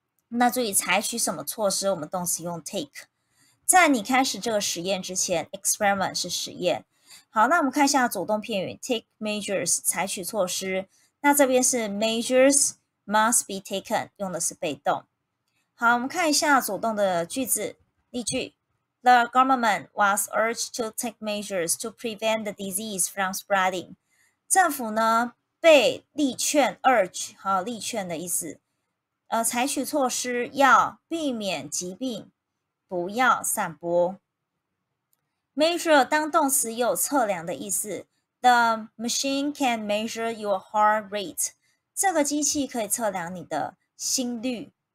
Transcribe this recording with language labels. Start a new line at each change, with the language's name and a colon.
Chinese: 那注意采取什么措施，我们动词用 take。在你开始这个实验之前， experiment 是实验。好，那我们看一下主动片语 take measures 采取措施，那这边是
English: measures must be taken，
Chinese: 用的是被动。好，我们看一下主动的句子例句。
English: The government was urged to take measures to prevent the disease from spreading。
Chinese: 政府呢被力劝 urge 哈，力劝的意思，采取措施要避免疾病不要散播。 measure 当动词有测量的意思，
English: the machine can measure your heart rate，
Chinese: 这个机器可以测量你的心率。